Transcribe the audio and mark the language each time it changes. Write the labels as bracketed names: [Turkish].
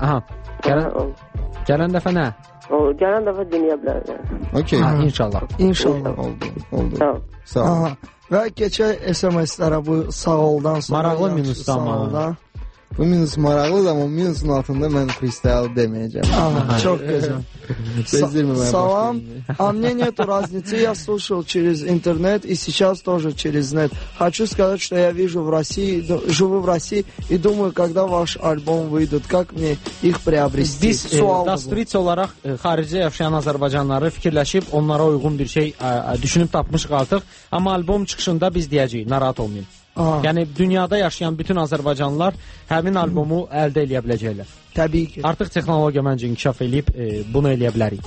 [Azerbaijani] Aha. Gələn. Gələn dəfə nə? Gələn dəfə dinləyə bilərəm. Okey. İnşallah. İnşallah. Oldu, oldu. Sağ ol. Və keçə SMS-lərə bu sağ oldan sonra. Maraqlı minusdan maraqlı. Bu minus maraqlı da, bu minusun altında mən freestyle deməyəcəm. Çox gözəl. [Russian] Салам, а мне нету разницы, я слушал через интернет и сейчас тоже через нет. Хочу сказать, что я вижу в России, живу в России и думаю, когда ваш альбом выйдет, как мне их приобрести. [Azerbaijani] Biz dastritz olaraq xaricdə yaşayan azərbaycanlıları fikirləşib, onlara uyğun bir şey düşünüb tapmışıq artıq. Amma albom çıxışında biz deyəcəyik, narahat olmayın. Yəni dünyada yaşayan bütün azərbaycanlılar həmin albomu əldə edə biləcəklər. Təbii ki. Artıq texnologiya məncə inkişaf eləyib, bunu eləyə bilərik.